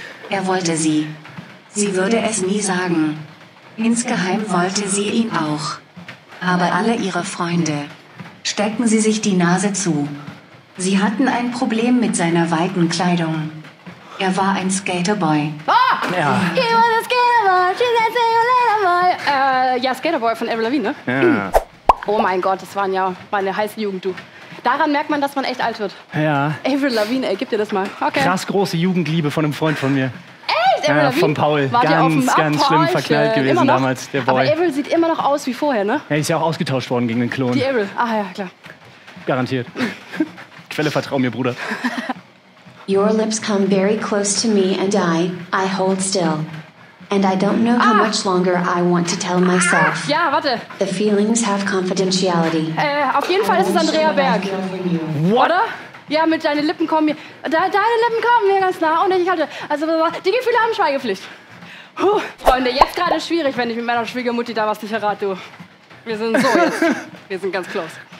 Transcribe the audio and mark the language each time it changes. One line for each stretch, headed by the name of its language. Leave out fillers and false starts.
German: Er wollte sie. Sie würde es nie sagen. Insgeheim wollte sie ihn auch. Aber alle ihre Freunde steckten sie sich die Nase zu. Sie hatten ein Problem mit seiner weiten Kleidung. Er war ein Skaterboy. Oh! Ja.
English: He was a Skaterboy, she said see you later, boy.
German: Ja, Skaterboy von Avril Lavigne, ne? Ja. Oh mein Gott, das waren ja meine heiße Jugend, du. Daran merkt man, dass man echt alt wird. Ja. Avril Lavigne, ey, gib dir das mal. Okay. Krass große Jugendliebe von einem Freund von mir. Echt? Avril Lavigne? Von Paul. War ganz, ganz schlimm verknallt gewesen damals, der Boy. Aber Avril sieht immer noch aus wie vorher, ne? Ja, ist ja auch ausgetauscht worden gegen den Klon. Die Avril, ach ja, klar. Garantiert. Quelle vertrau mir, Bruder.
English: Your lips come very close to me and I hold still. And I don't know how much longer I want to tell myself.
German: Ja, warte.
English: The feelings have confidentiality.
German: Auf jeden Fall ist es Andrea Berg.
English: What?
German: Oder? Ja, mit deinen Lippen kommen mir. Deine Lippen kommen mir ganz nah und ich halte. Also, die Gefühle haben Schweigepflicht. Puh, Freunde, jetzt gerade schwierig, wenn ich mit meiner Schwiegermutti da was nicht errate, du. Wir sind so jetzt. Wir sind ganz close.